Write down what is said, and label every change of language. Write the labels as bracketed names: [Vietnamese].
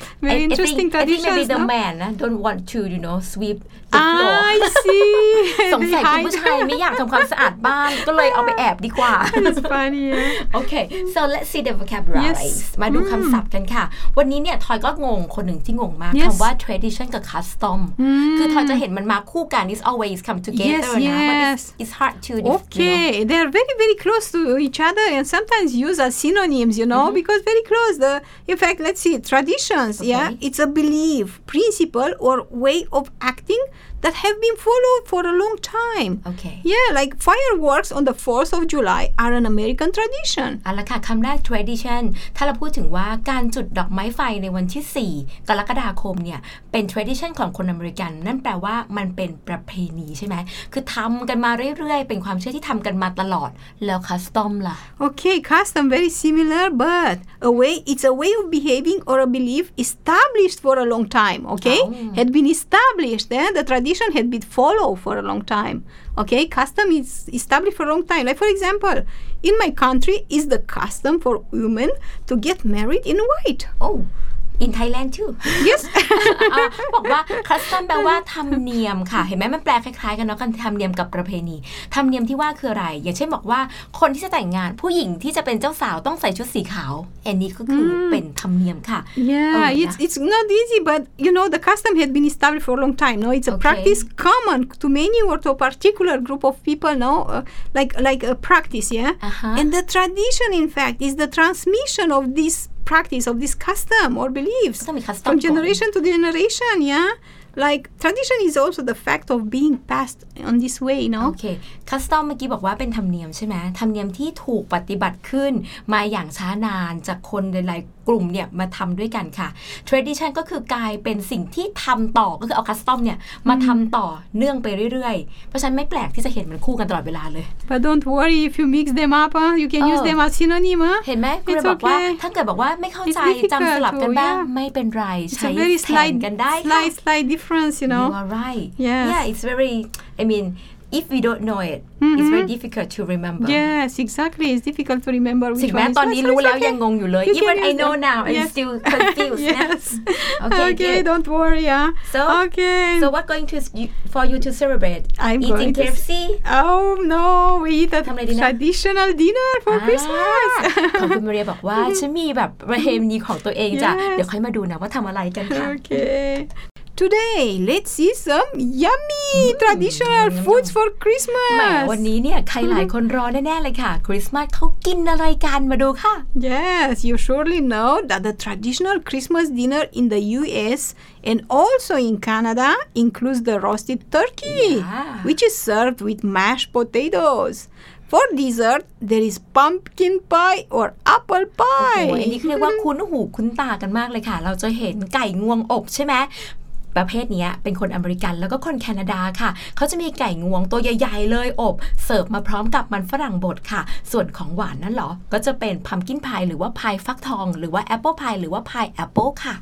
[English] Very interesting tradition I think maybe the man นะ don't want to you know sweep the floor I see [Thai] สงสัยคุณผู้ชายไม่อยากทำความสะอาดบ้านก็เลยเอาไปแอบดีกว่า [English] It's funny Okay so let's see the vocabulary [Thai] มาดูคำศัพท์กันค่ะวันนี้เนี่ยทอยก็งงคนหนึ่งที่งงมากคำว่า tradition กับ custom คือทอยจะเห็นมันมาคู่กัน [English] it's always come together yes, [Thai] นะ [English] yes. but it's hard to okay you know. they are very very close to each other and sometimes use as synonyms you know because very close the in fact let's see traditions yeah it's a belief principle or way of acting that have been followed for a long time. Okay. Yeah, like fireworks on the 4th of July are an American tradition. [Thai] อะล่ะค่ะคำแรก tradition ถ้าเราพูดถึงว่าการจุดดอกไม้ไฟในวันที่4กรกฎาคมเนี่ยเป็น tradition ของคนอเมริกันนั่นแปลว่ามันเป็นประเพณีใช่ไหมคือทำกันมาเรื่อยๆเป็นความเชื่อที่ทำกันมาตลอดแล้ว custom ล่ะ [English] Okay, custom very similar but a way it's a way of behaving or a belief established for a long time. Okay, oh. had been established. Then the tradition had been followed for a long time. Okay, custom is established for a long time. Like for example, in my country, is the custom for women to get married in white. Oh. In Thailand too yes [Thai] บอกว่า custom แปลว่าธรรมเนียมค่ะเห็นไหมมันแปลคล้ายๆกันเนาะกันธรรมเนียมกับประเพณีธรรมเนียมที่ว่าคืออะไรอย่างเช่นบอกว่าคนที่จะแต่งงานผู้หญิงที่จะเป็นเจ้าสาวต้องใส่ชุดสีขาวอันนี้ก็คือเป็นธรรมเนียมค่ะ [English] yeah it's not easy but you know the custom had been established for a long time no it's a practice common to many or to a particular group of people no like a practice yeah and the tradition in fact is the transmission of thisPractice of this custom or beliefs from generation to generation, yeah. Like tradition is also the fact of being passed on this way, no? Okay. [Thai] Custom เมื่อกี้บอกว่าเป็นธรรมเนียมใช่ไหมธรรมเนียมที่ถูกปฏิบัติขึ้นมาอย่างช้านานจากคนหลายๆกลุ่มเนี่ยมาทำด้วยกันค่ะ Tradition ก็คือกลายเป็นสิ่งที่ทำต่อก็คือเอา custom เนี่ยมาทำต่อเนื่องไปเรื่อยๆเพราะฉันไม่แปลกที่จะเห็นมันคู่กันตลอดเวลาเลย [English] But don't worry if you mix them up, you can use them as synonym. [Thai] เห็นไหมคุณบอกว่าถ้าเกิดบอกว่าไม่เข้าใจจำสลับกันบ้างไม่เป็นไรใช้แทนกันได้ค่ะ [English] slide difference, you know. You are right. Yes. Yeah, it's very. I mean. If we don't know it, it's very difficult to remember. Yes, exactly. It's difficult to remember which one is. [Thai] ถึงแม้ตอนนี้รู้แล้วยังงงอยู่เลย [English] Even I know now, I'm still confused. Yes. Okay, don't worry. So what going to for you to celebrate? I'm eating KFC? Oh, no. We eat a traditional dinner for Christmas. [Thai] คุณมาเรียบอกว่าฉันมีแบบประเพณีของตัวเองจ้ะเดี๋ยวค่อยมาดูนะว่าทำอะไรกันค่ะ [English] Okay. Today, let's see some yummy traditional foods for Christmas. [Thai] วันนี้เนี่ยใครหลายคนรอแน่ๆเลยค่ะ Christmas เขากินอะไรกันมาดูค่ะ [English] Yes, you surely know that the traditional Christmas dinner in the U.S. and also in Canada includes the roasted turkey, which is served with mashed potatoes. For dessert, there is pumpkin pie or apple pie. [Thai] โอ้โหอันนี้เรียกว่าคุ้นหูคุ้นตากันมากเลยค่ะเราจะเห็นไก่งวงอบใช่ไหมประเภทนี้เป็นคนอเมริกันแล้วก็คนแคนาดาค่ะเขาจะมีไก่งวงตัวใหญ่ๆเลยอบเสิร์ฟมาพร้อมกับมันฝรั่งบดค่ะส่วนของหวานนั่นหรอก็จะเป็นพัมกินพายหรือว่าพายฟักทองหรือว่าแอปเปิลพายหรือว่าพายแอปเปิลค่ะ